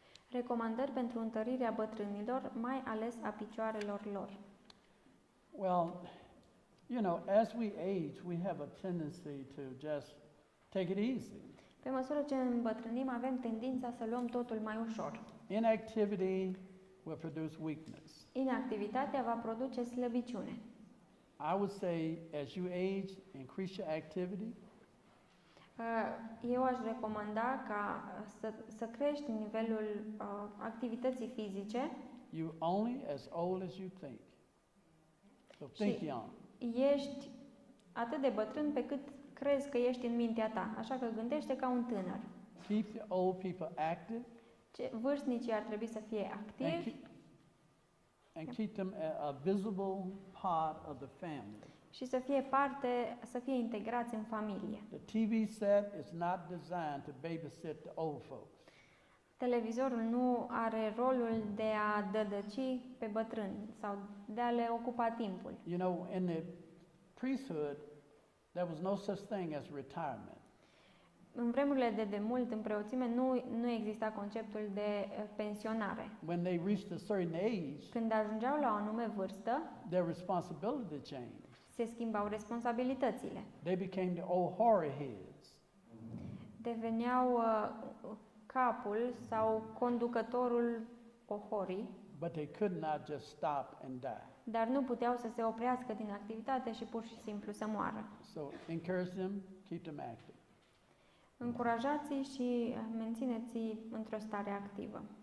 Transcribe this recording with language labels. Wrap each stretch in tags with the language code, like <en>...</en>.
<ro>Recomandări pentru întărirea bătrânilor, mai ales a picioarelor lor.</ro> <en>Well, you know, as we age, we have a tendency to just take it easy.</en> <ro>Pe măsură ce îmbătrânim, avem tendința să luăm totul mai ușor.</ro> <en>Inactivity will produce weakness.</en> <ro>Inactivitatea va produce slăbiciune.</ro> <en>I would say as you age, increase your activity.</en> <ro>Eu aș recomanda ca să crești nivelul activității fizice.</ro> <en>You only as old as you think. So think young.</en> <ro>Ești atât de bătrân pe cât crezi că ești în mintea ta. Așa că gândește ca un tânăr.</ro> <en>Keep the old people active.</en> <ro>Ce vârstnicii ar trebui să fie activi.</ro> <en>And keep them a visible part of the family.</en> <ro>Și să fie parte, să fie integrați în familie.</ro> <en>The TV set is not designed to babysit the old folks.</en> <ro>Televizorul nu are rolul de a dădăci pe bătrâni sau de a le ocupa timpul.</ro> <en>You know, in the priesthood, there was no such thing as retirement.</en> <ro>În vremurile de demult, în preoțime, nu exista conceptul de pensionare.</ro> <en>When they reached a certain age,</en> <ro>când ajungeau la o anume vârstă,</ro> <en>their responsibility changed.</en> <ro>Se schimbau responsabilitățile.</ro> <en>They became the old horror heads.</en> <ro>Deveneau capul sau conducătorul ohorii.</ro> <en>But they could not just stop and die.</en> <ro>Dar nu puteau să se oprească din activitate și pur și simplu să moară.</ro> <en>So encourage them, keep them active.</en> <ro>Încurajați-i și mențineți-i într-o stare activă.</ro>